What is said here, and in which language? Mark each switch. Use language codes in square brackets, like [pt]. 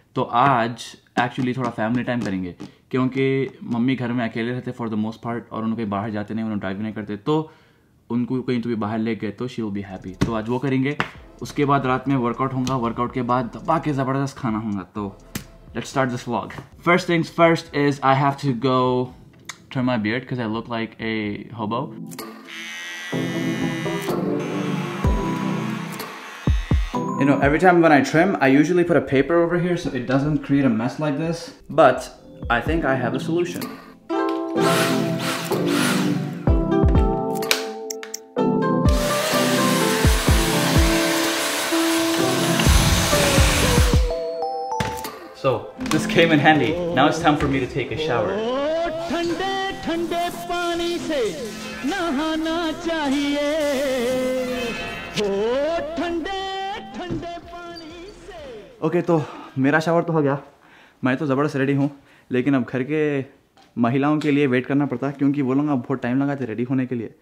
[hi] तो आज actually थोड़ा family time करेंगे, क्योंकि मम्मी घर में अकेले रहते [en] for the most part [hi] और उन्हें कहीं बाहर जाते नहीं, उन्हें drive नहीं करते, तो उनको कहीं तो भी बाहर ले गए तो [en] she will be happy. [hi] तो आज वो करेंगे, उसके बाद रात में workout होगा, workout के बाद दबा के ज़बरदस्त खाना होगा। [en] तो let's start this vlog. First things first is I have to go trim my beard because I look like a hobo. You know, every time when I trim, I usually put a paper over here so it doesn't create a mess like this. But I think I have a solution. So, this came in handy. Now it's time for me to take a shower. [hi] Okay, तो मेरा shower तो हो गया, मैं तो ज़बरदस्त ready हूँ, लेकिन अब घर के महिलाओं के लिए वेट करना पड़ता है क्योंकि वो लोग अब बहुत टाइम लगाते रेडी होने के लिए।